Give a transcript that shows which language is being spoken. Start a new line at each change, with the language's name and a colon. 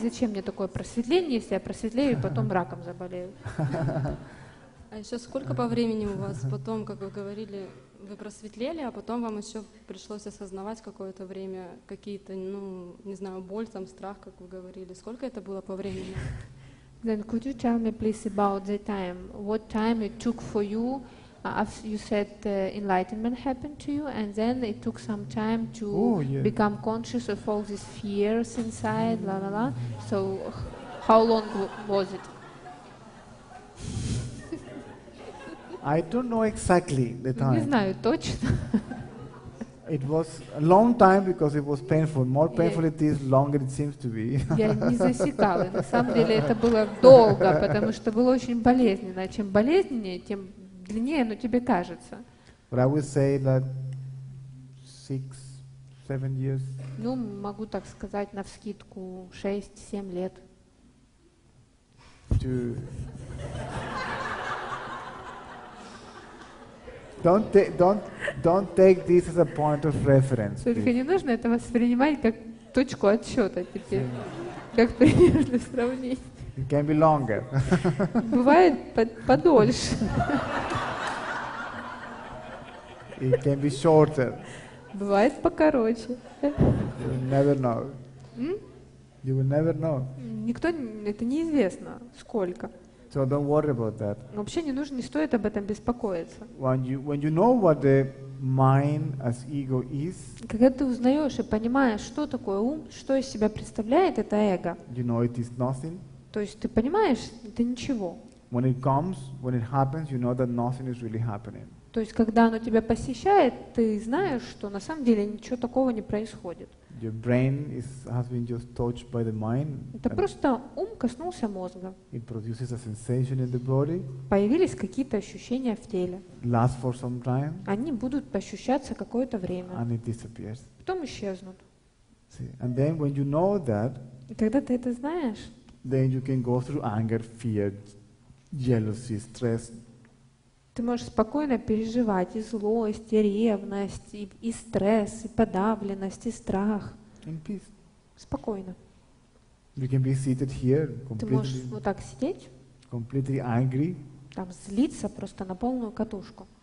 Russian: Зачем мне такое просветление, если я просветлею и потом раком заболею? А еще сколько по времени у вас потом, как вы говорили, вы просветлели, а потом вам еще пришлось осознавать какое-то время какие-то, ну, не знаю, боль, там, страх, как вы говорили. Сколько это было по времени?
English: Then could you tell me, please, about the time? What time it took for you? You said enlightenment happened to you, and then it took some time to become conscious of all these fears inside, la la la. So, how long was it? I don't know exactly the time.
Russian: Не знаю точно.
English: It was a long time because it was painful. More painful it is, longer it seems to be.
Russian: Я не засекала. На самом деле это было долго, потому что было очень болезненно. Чем болезненнее, тем длиннее, но тебе кажется.
English: But I would say that 6-7 years.
Russian: Ну, могу так сказать, навскидку 6-7 лет.
English: To don't take this as a point of reference.
Russian: Только не нужно это воспринимать как точку отсчета теперь, как пример для сравнения.
English: It can be longer.
Russian: Бывает подольше.
English: It can be shorter.
Russian: Бывает покороче.
English: You will never know. You will never know.
Russian: Никто, это неизвестно, сколько.
English: So don't worry about that.
Russian: Вообще не нужно, не стоит об этом беспокоиться.
English: When you know what the mind as ego is,
Russian: когда ты узнаешь и понимаешь, что такое ум, что из себя представляет это эго,
English: you know it is nothing.
Russian: То есть ты понимаешь, это ничего.
English: When it comes, when it happens, you know that nothing is really happening.
Russian: То есть когда оно тебя посещает, ты знаешь, что на самом деле ничего такого не происходит.
English: Your brain is has been just touched by the mind.
Russian: Это просто ум коснулся мозга.
English: It produces a sensation in the body.
Russian: Появились какие-то ощущения в теле.
English: Last for some time.
Russian: Они будут ощущаться какое-то время.
English: And it disappears.
Russian: Потом исчезнут.
English: See? And then when you know that.
Russian: И когда ты это знаешь.
English: Then you can go through anger, fear, jealousy, stress.
Russian: Ты можешь спокойно переживать и злость, и ревность, и стресс, и подавленность, и страх.
English: In peace.
Russian: Спокойно.
English: You can be seated here, completely,
Russian: ты можешь вот так сидеть.
English: Completely angry.
Russian: Там злиться просто на полную катушку.